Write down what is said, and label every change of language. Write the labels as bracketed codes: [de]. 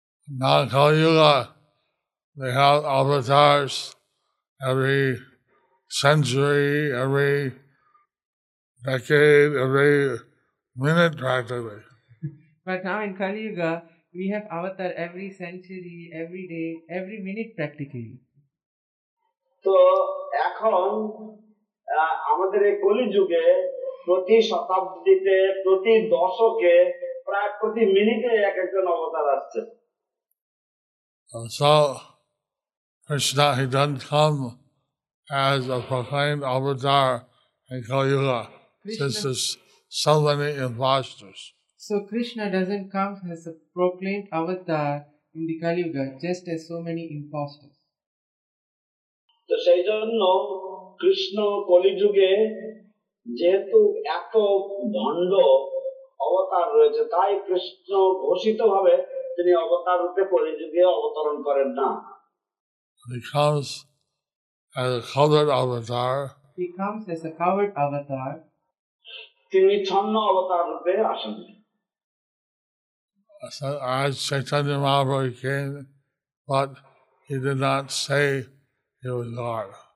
[en] Now Kali Yuga, they have avatars every century, every decade, every minute practically. But now in Kali Yuga, we have avatar every century, every day, every minute practically. [bn] So, ekhon আমাদের এই কলি যুগে প্রতি শতাব্দীতে প্রতি দশকে প্রায় প্রতি মিনিটে এক একজন অবতার আসছে. [en] So Krishna, he doesn't come as a proclaimed avatar in Kali Yuga, since there's so many imposters. So Krishna doesn't come as a proclaimed avatar in the Kali Yuga, just as so many imposters. [bn] So সেই জন্য কৃষ্ণ কলি যুগে যেহেতু এত ভণ্ড অবতার রয়েছে, তাই কৃষ্ণ ঘোষিত ভাবে তিনি অবতার রূপে কলি যুগে অবতরণ করেন না. [en] Because as a covered avatar, he comes as a covered avatar. [bn] তিনি ছন্ন অবতার রূপে আসেন. [en] So, as Chaitanya Mahaprabhu came, but he did not say he was Lord.